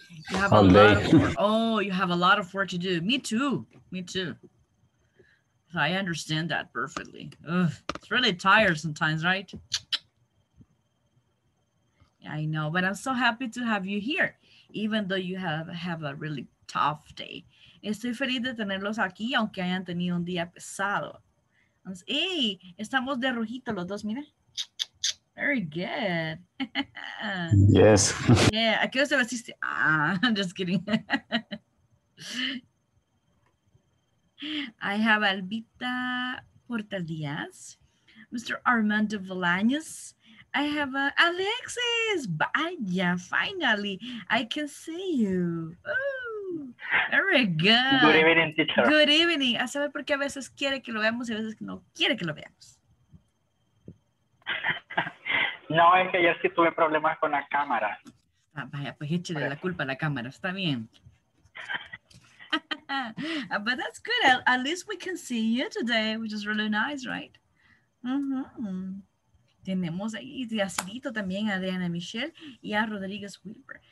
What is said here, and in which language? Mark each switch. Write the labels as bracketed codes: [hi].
[en] You have all a day. Lot of work. Oh, you have a lot of work to do. Me too. I understand that perfectly. Ugh, it's really tired sometimes, right? Yeah, I know, but I'm so happy to have you here, even though you have a really tough day. [es] Estoy feliz de tenerlos aquí, aunque hayan tenido un día pesado. Hey, estamos de rojito los dos, mira. [en] Very good. Yes. [es] Yeah, ¿a qué hora te vestiste? Ah, [en] I'm just kidding. I have Albita Portadias, Mr. Armando Bolaños. I have Alexis. Vaya, finally, I can see you. Ooh, very good. Good evening, teacher. Good evening. [es] A saber por qué a veces quiere que lo veamos y a veces no quiere que lo veamos. No, es que ayer sí tuve problemas con la cámara. Ah, vaya, pues échale la culpa a la cámara. Está bien. [en] But that's good. At least we can see you today, which is really nice, right? Mm-hmm. [es] Tenemos ahí a Cidito también, a Adriana Michelle y a Rodriguez Wilber.